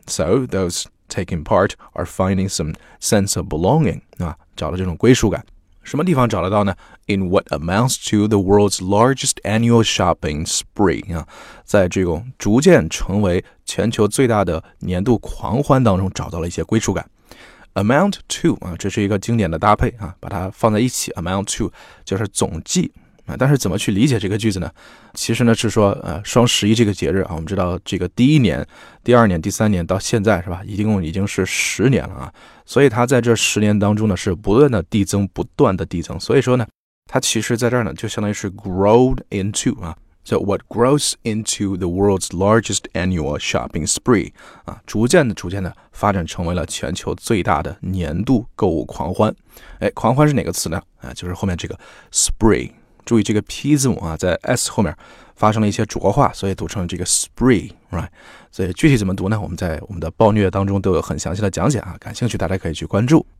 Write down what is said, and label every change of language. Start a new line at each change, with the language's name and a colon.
English: So those taking part are finding some sense of belonging,
Chinese: 是吧？找到这种归属感，什么地方找得到呢？
English: In what amounts to the world's largest annual shopping spree、
Chinese: 啊、在这种逐渐成为全球最大的年度狂欢当中找到了一些归属感。
English: Amount to、
Chinese: 啊、这是一个经典的搭配、啊、把它放在一起
English: Amount to
Chinese: 就是总计、啊、但是怎么去理解这个句子呢？其实呢是说、双十一这个节日、啊、我们知道这个第一年第二年第三年到现在是吧，一共已经是十年了啊，所以它在这十年当中呢是不断的递增不断的递增，所以说呢它其实在这儿呢就相当于是
English: growed into 啊。 So what grows into the world's largest annual shopping spree
Chinese: 啊，逐渐的发展成为了全球最大的年度购物狂欢。哎，狂欢是哪个词呢？啊，就是后面这个 spree， 注意这个 P 字母啊在 S 后面发生了一些浊化，所以读成了这个 spree，
English: right？
Chinese: 所以具体怎么读呢？我们在我们的暴虐当中都有很详细的讲解啊，感兴趣大家可以去关注。